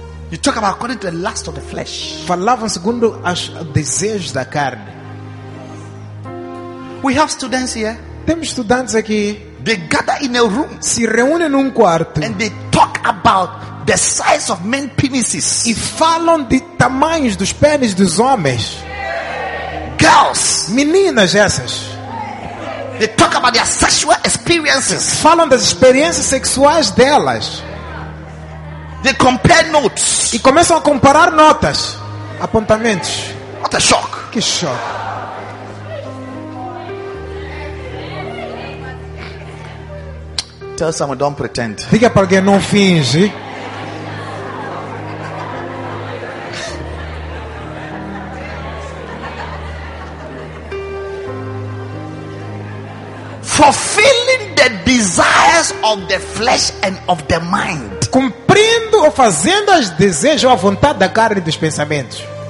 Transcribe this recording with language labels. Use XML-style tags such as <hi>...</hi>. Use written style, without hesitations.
<en>You talk about according to the lust of the flesh.</en> <pt>Falavam segundo os desejos da carne.</pt> <en>We have students here.</en> <pt>Temos estudantes aqui.</pt> <en>They gather in a room.</en> <pt>Se reúnem num quarto.</pt> <en>And they talk about the size of men penises.</en> <pt>E falam de tamanhos dos pênis dos homens.</pt> <en>Girls.</en> <pt>Meninas essas.</pt> <en>They talk about their sexual experiences.</en> <pt>Falam das experiências sexuais delas.</pt> <en>They compare notes.</en> <pt>E começam a comparar notas, apontamentos.</pt> <en>What a shock.</en> <pt>Que choque.</pt> <en>Tell someone, don't pretend.</en> <pt>Diga para alguém, não finge.</pt> <en>Fulfilling the desires of the flesh and of the mind.</en> <pt>Cumprindo ou fazendo os desejos ou a vontade da carne e dos pensamentos.</pt>